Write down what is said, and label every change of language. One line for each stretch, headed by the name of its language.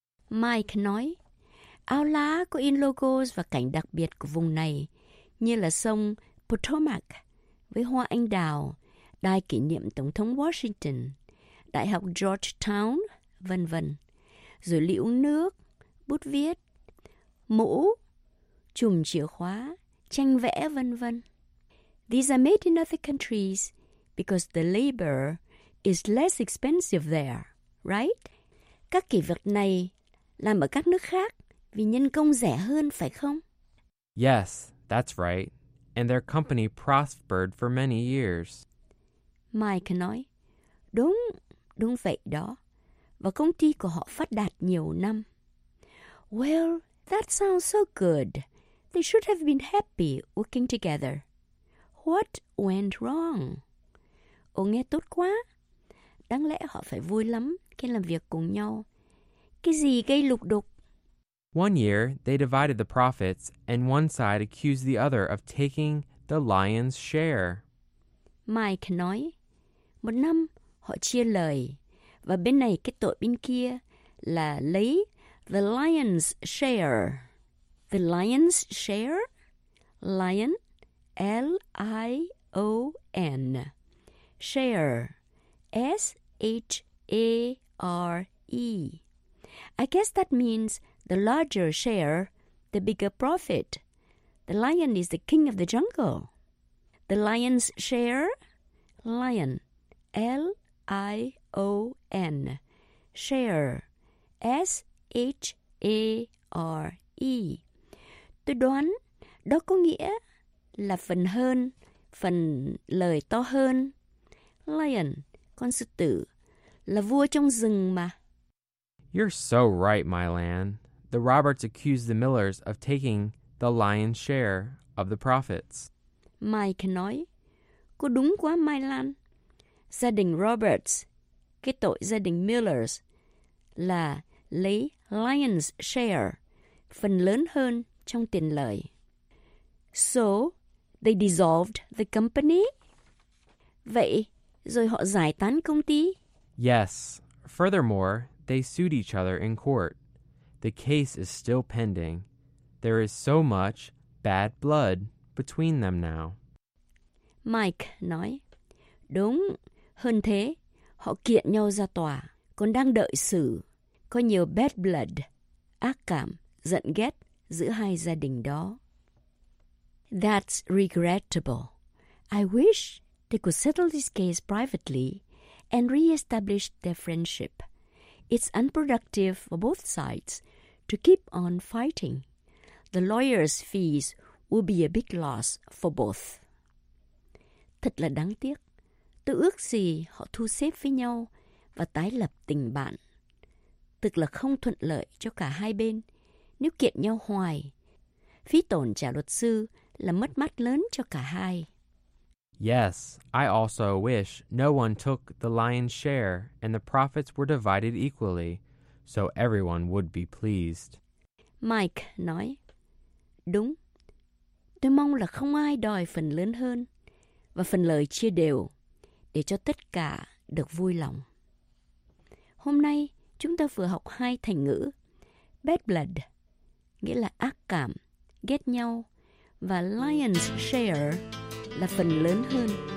Vietnamese: Mike nói, áo lá có in logos và cảnh đặc biệt của vùng này, như là sông Potomac với hoa anh đào, đài kỷ niệm Tổng thống Washington, Đại học Georgetown, vân vân. Rồi lũ nước, bút viết, mũ, chùm chìa khóa, tranh vẽ, vân vân.
English: These are made in other countries because the labor is less expensive there, right?
Vietnamese: Các kỷ vật này làm ở các nước khác vì nhân công rẻ hơn, phải không?
English: Yes, that's right. And their company prospered for many years.
Vietnamese: Mike nói, đúng, đúng vậy đó. Và công ty của họ phát đạt nhiều năm.
English: Well, that sounds so good. They should have been happy working together. What went wrong?
Vietnamese: Ồ, nghe tốt quá. Đáng lẽ họ phải vui lắm khi làm việc cùng nhau. Cái gì gây lục đục?
English: One year, they divided the profits, and one side accused the other of taking the lion's share.
Vietnamese: Mike nói, một năm họ chia lời, và bên này cái tội bên kia là lấy
English: the lion's share. The lion's share? Lion, L-I-O-N. Share, S-H-A-R-E. I guess that means the larger share, the bigger profit. The lion is the king of the jungle. The lion's share? Lion, L-I-O-N. Share, S-H-A-R-E.
Vietnamese: Tôi đoán đó có nghĩa là phần hơn, phần lời to hơn. Lion, con sư tử, là vua trong rừng mà.
English: You're so right, Mylan. The Roberts accused the Millers of taking the lion's share of the profits.
Vietnamese: Mike nói, cô đúng quá, Mylan. Gia đình Roberts, cái tội gia đình Millers, là lấy lion's share, phần lớn hơn trong tiền lời.
English: So, they dissolved the company?
Vietnamese: Vậy, rồi họ giải tán công ty?
English: Yes. Furthermore, they sued each other in court. The case is still pending. There is so much bad blood between them now.
Vietnamese: Mike nói, đúng, hơn thế, họ kiện nhau ra tòa, còn đang đợi xử. Có nhiều bad blood, ác cảm, giận ghét giữa hai gia đình đó.
English: That's regrettable. I wish they could settle this case privately and re-establish their friendship. It's unproductive for both sides to keep on fighting. The lawyer's fees will be a big loss for both.
Vietnamese: Thật là đáng tiếc. Tôi ước gì họ thu xếp với nhau và tái lập tình bạn. Tức là không thuận lợi cho cả hai bên nếu kiện nhau hoài. Phí tổn trả luật sư là mất mát lớn cho cả hai.
English: Yes, I also wish no one took the lion's share and the profits were divided equally, so everyone would be pleased.
Vietnamese: Mike nói, đúng, tôi mong là không ai đòi phần lớn hơn và phần lời chia đều để cho tất cả được vui lòng. Hôm nay, chúng ta vừa học hai thành ngữ, bad blood, nghĩa là ác cảm, ghét nhau, và lion's share là phần lớn hơn.